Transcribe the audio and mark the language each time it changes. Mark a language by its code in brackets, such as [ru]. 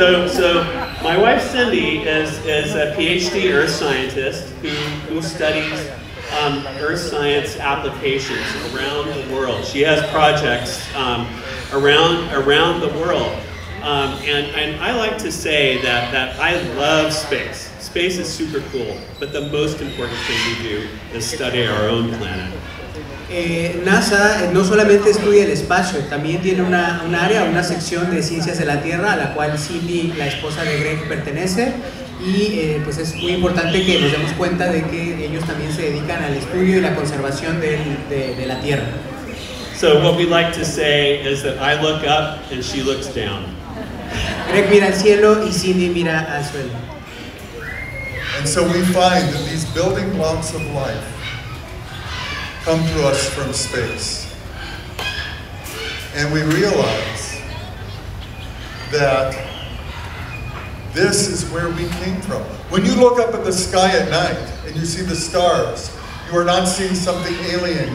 [en] So my wife Cindy is a PhD earth scientist who studies earth science applications around the world. She has projects around the world. And I like to say that I love space. Space is super cool, but the most important thing we do is study our own planet. [es] NASA no solamente estudia el espacio, también tiene una área, una sección de ciencias de la Tierra a la cual Cindy, la esposa de Greg, pertenece, y pues es muy importante que nos demos cuenta de que ellos también se dedican al estudio y la conservación de la Tierra. [en] So what we like to say is that I look up and she looks down. [es] Greg mira al cielo y Cindy mira al suelo. [en] And so we find that these building blocks of life come to us from space. And we realize that this is where we came from. When you look up at the sky at night and you see the stars, you are not seeing something alien.